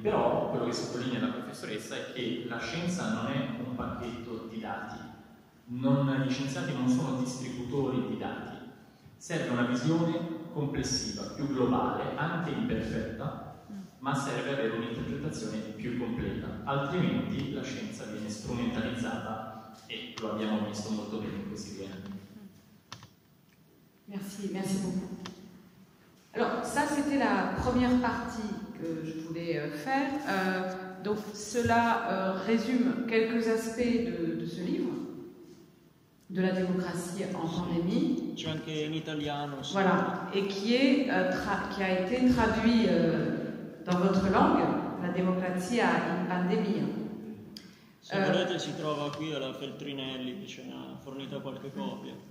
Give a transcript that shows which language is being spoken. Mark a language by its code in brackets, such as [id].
[it] Però quello che sottolinea la professoressa è che la scienza non è un pacchetto di dati, non, gli scienziati non sono distributori di dati, serve una visione complessiva, più globale, anche imperfetta, ma serve avere un'interpretazione più completa, altrimenti la scienza viene strumentalizzata e lo abbiamo visto molto bene in questi due anni. [fr] Merci beaucoup. Alors, ça, c'était la première partie que je voulais faire. Donc, cela résume quelques aspects de ce livre, de la démocratie en pandémie. [it] C'è anche in italiano. [fr] Voilà. Et qui, est, qui a été traduit dans votre langue, la démocratie in pandemia. [it] Se volete, si trova qui alla Feltrinelli, che ce ne ha fornita qualche copia.